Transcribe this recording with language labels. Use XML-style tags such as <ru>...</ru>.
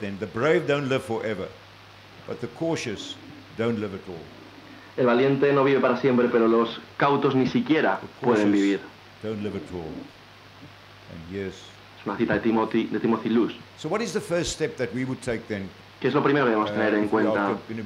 <en>Then the brave don't live forever, but the cautious don't live at all.</en> <es>El valiente no vive para siempre, pero los cautos ni siquiera pueden vivir.</es> <en>Don't live at all. And yes.</en> <es>Es una cita de Timothy Luce.</es> <en>So what is the first step that we would take then?</en> <es>¿Qué es lo primero que debemos tener en cuenta?</es>